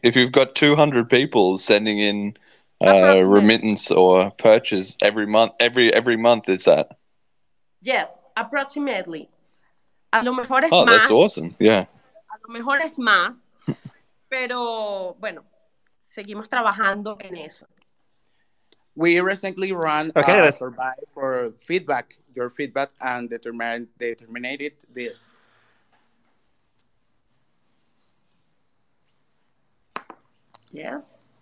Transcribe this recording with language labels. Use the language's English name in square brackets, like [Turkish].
[English] If you've got 200 people sending in remittance or purchase every month, is that? Yes, approximately. [Spanish] A lo mejor es más. [English] Oh, that's awesome, yeah. [Spanish] A lo mejor es más, pero bueno, seguimos trabajando en eso. [English] We recently ran a survey for feedback, your feedback, and determined this. Yes.